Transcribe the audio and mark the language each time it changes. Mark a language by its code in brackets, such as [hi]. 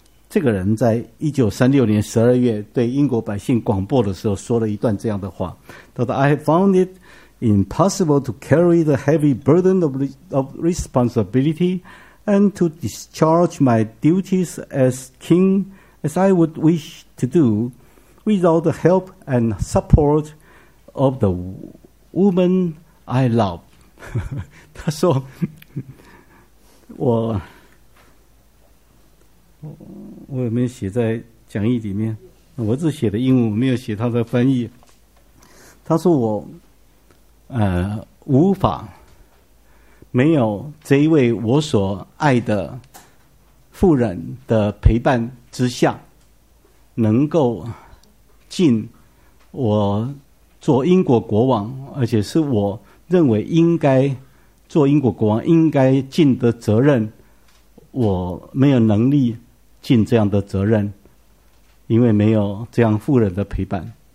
[zh] 这个人在1936年12月对英国百姓广播的时候说了一段这样的话，他说 [en] I found it impossible to carry the heavy burden of responsibility and to discharge my duties as king as I would wish to do, without the help and support of the woman I love. [zh] 他说我有没有写在讲义里面，我只写的英文，我没有写他的翻译。他说我无法没有这一位我所爱的妇人的陪伴之下，能够尽我做英国国王，而且是我认为应该做英国国王应该尽的责任，我没有能力尽这样的责任，因为没有这样妇人的陪伴。